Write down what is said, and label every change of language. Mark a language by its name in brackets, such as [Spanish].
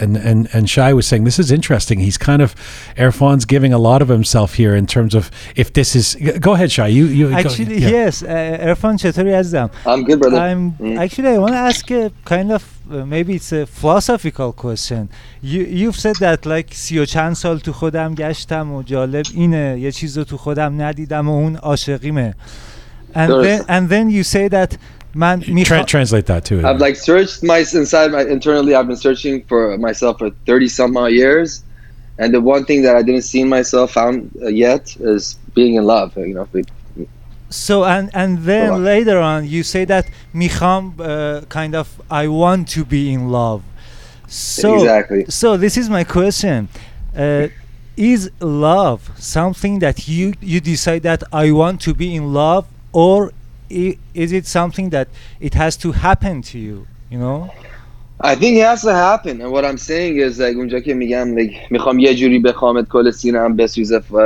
[English] And Shai was saying, this is interesting. He's kind of, Irfan's giving a lot of himself here in terms of if this is. Go ahead, Shai. Yes. Irfan Chaturi Azam. I'm good, brother. Actually, I want to ask a kind of. Maybe it's a philosophical question. You've said that like [Persian] 30 سال تو خودم گشتم و جالب اینه یه چیز رو تو خودم ندیدم و اون عاشقیمه. [English] And then you say that man. Translate that too. I've like searched internally. I've been searching for myself for 30 some odd years, and the one thing that I didn't see in myself found yet is being in love. You know. So and then later on you say that [Persian] میخوام [English] kind of I want to be in love. So, exactly. So this is my question. Is love something that you decide that I want to be in love, or is it something that it has to happen to you, you know? I think it has to happen. And what I'm saying is that [Persian] اونجا که میگم [English] like [Persian] میخوام یه جوری بخوامت کل سینم بسوزه.